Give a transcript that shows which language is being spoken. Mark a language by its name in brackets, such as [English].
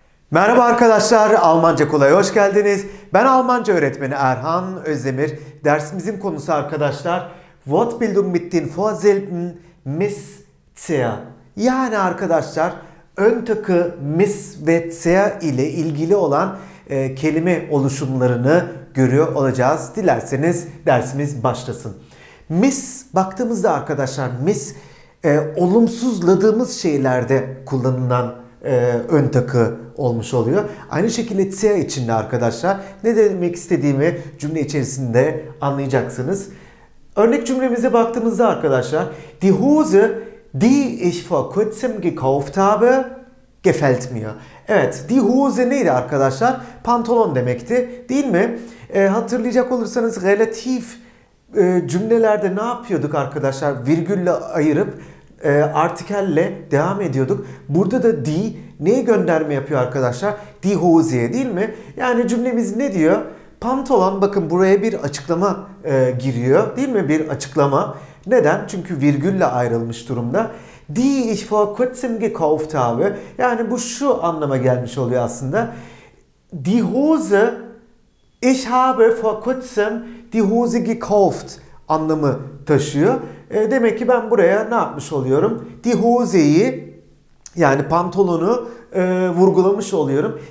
[Turkish] Merhaba arkadaşlar, Almanca Kolay'a hoş geldiniz. Ben Almanca öğretmeni Erhan Özdemir. Dersimizin konusu arkadaşlar, [German] Fortbildung mit den Vorsilben Miss, Zia. [Turkish] Yani arkadaşlar, ön takı Miss ve Zia ile ilgili olan kelime oluşumlarını görüyor olacağız. Dilerseniz dersimiz başlasın. Miss, baktığımızda arkadaşlar, Miss olumsuzladığımız şeylerde kullanılan ön takı olmuş oluyor. Aynı şekilde tia içinde arkadaşlar ne demek istediğimi cümle içerisinde anlayacaksınız. Örnek cümlemize baktığımızda arkadaşlar [German] die Hose die ich vor kurzem gekauft habe gefällt mir. [Turkish] Evet, [German] die Hose [Turkish] neydi arkadaşlar? Pantolon demekti, değil mi? Hatırlayacak olursanız relatif cümlelerde ne yapıyorduk arkadaşlar? Virgülle ayırıp artikelle devam ediyorduk. Burada da die neye gönderme yapıyor arkadaşlar? Die Hose'ye, değil mi? Yani cümlemiz ne diyor? Pantolon, bakın buraya bir açıklama giriyor, değil mi? Bir açıklama. Neden? Çünkü virgülle ayrılmış durumda. [German] Die ich vor kurzem gekauft habe. [Turkish] Yani bu şu anlama gelmiş oluyor aslında. [German] Die Hose ich habe vor kurzem die Hose gekauft [Turkish] anlamı taşıyor. Demek ki ben buraya ne yapmış oluyorum? Die Hose'yi, yani pantolonu vurgulamış oluyorum.